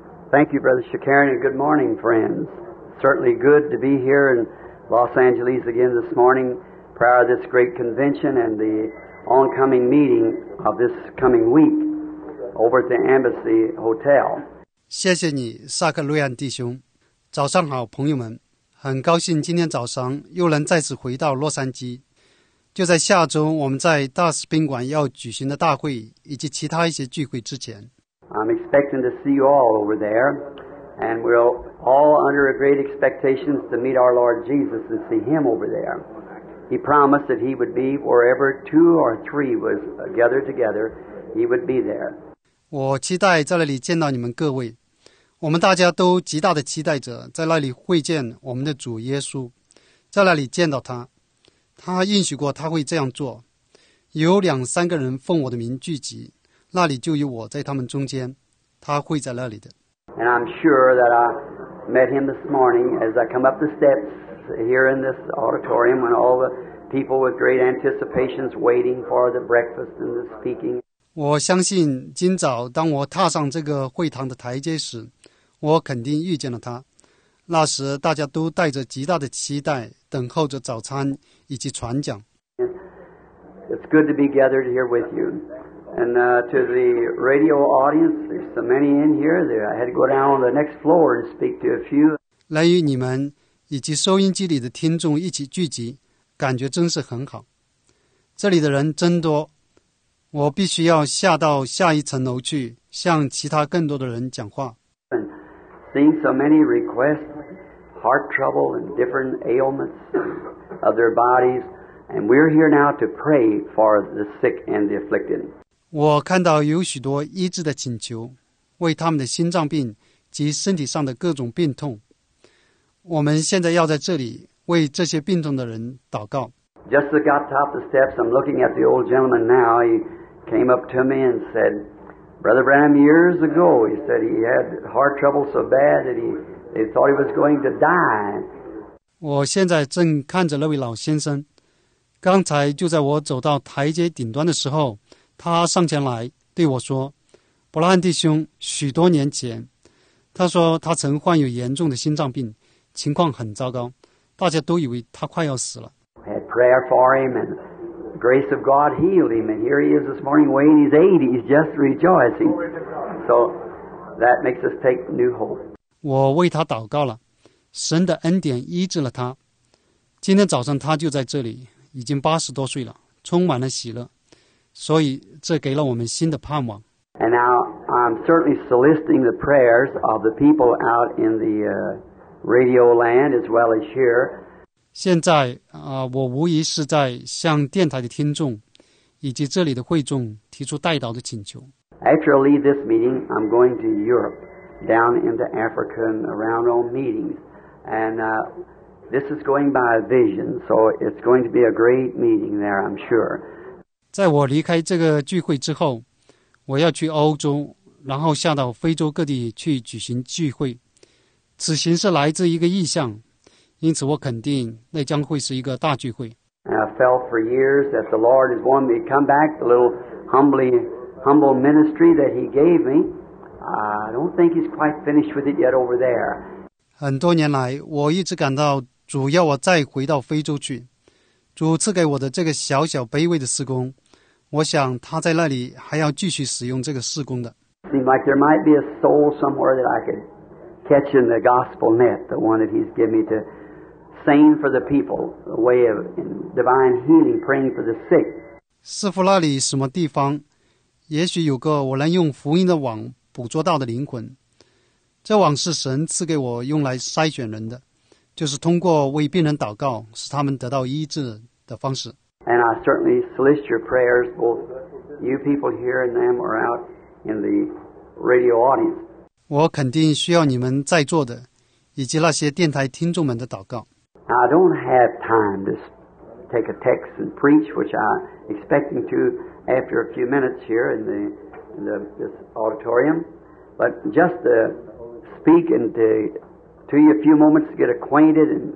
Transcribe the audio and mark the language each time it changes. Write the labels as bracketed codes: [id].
[en] Thank you, Brother Shakarian, and good morning, friends. Certainly good to be here in Los Angeles again this morning prior to this great convention and the oncoming meeting of this coming week over at the Embassy Hotel. [zh] 谢谢你，萨克瑞安弟兄。早上好，朋友们。很高兴今天早上又能再次回到洛杉矶。就在下周我们在大使宾馆要举行的大会以及其他一些聚会之前。 [en] I'm expecting to see you all over there, and we're all under a great expectations to meet our Lord Jesus and see Him over there. He promised that He would be wherever two or three was gathered together, He would be there. [zh] 我期待在那里见到你们各位。我们大家都极大的期待着在那里会见我们的主耶稣，在那里见到他。他应许过他会这样做。有两三个人奉我的名聚集。那里就有我在他们中间，他会在那里的。 [en] And I'm sure that I met him this morning as I come up the steps here in this auditorium when all the people with great anticipations waiting for the breakfast and the speaking. [zh] 我相信今早当我踏上这个会堂的台阶时，我肯定遇见了他。那时大家都带着极大的期待，等候着早餐以及传讲。 [en] It's good to be gathered here with you. And to the radio audience, there's so many in here there. I had to go down on the next floor and speak to a few. [zh] 来与你们以及收音机里的听众一起聚集，感觉真是很好。这里的人真多，我必须要下到下一层楼去，向其他更多的人讲话。 [en] And seeing so many requests, heart trouble and different ailments of their bodies, and we're here now to pray for the sick and the afflicted. [zh] 我看到有许多医治的请求，为他们的心脏病及身体上的各种病痛。我们现在要在这里为这些病痛的人祷告。 [en] Just as I got top the steps, I'm looking at the old gentleman now. He came up to me and said, Brother Branham, years ago, he said he had heart trouble so bad that they thought he was going to die. [zh] 我现在正看着那位老先生，刚才就在我走到台阶顶端的时候他上前来对我说伯拉罕弟兄许多年前他说他曾患有严重的心脏病情况很糟糕大家都以为他快要死了 [en] I had prayer for him and the grace of God healed him and here he is this morning weighing his 80 he's just rejoicing so that makes us take new hope [zh] 我为他祷告了神的恩典医治了他今天早上他就在这里已经八十多岁了充满了喜乐所以这给了我们新的盼望。 [en] And now I'm certainly soliciting the prayers of the people out in the radio land as well as here. [zh] 现在我无疑是在向电台的听众以及这里的会众提出代祷的请求。 [en] After I leave this meeting, I'm going to Europe, down into Africa and around all meetings. And this is going by a vision, so it's going to be a great meeting there, I'm sure. [zh] 在我离开这个聚会之后我要去欧洲然后下到非洲各地去举行聚会此行是来自一个意向因此我肯定那将会是一个大聚会 [en] And I felt for years that the Lord has wanted me to come back the little humble ministry that he gave me I don't think he's quite finished with it yet over there [zh] 很多年来我一直感到主要我再回到非洲去主赐给我的这个小小卑微的事工我想他在那里还要继续使用这个事工的。 [en] Seems like there might be a soul somewhere that I could catch in the gospel net, the one that he's given me to sing for the people, a way of divine healing, praying for the sick. [zh] 似乎那里什么地方也许有个我能用福音的网捕捉到的灵魂这网是神赐给我用来筛选人的，就是通过为病人祷告使他们得到医治的方式。 [en] And I certainly solicit your prayers, both you people here and them are out in the radio audience. [zh] 我肯定需要你们在座的以及那些电台听众们的祷告。 [en] I don't have time to take a text and preach, which I'm expecting to after a few minutes here in this auditorium, but just to speak and to you a few moments to get acquainted.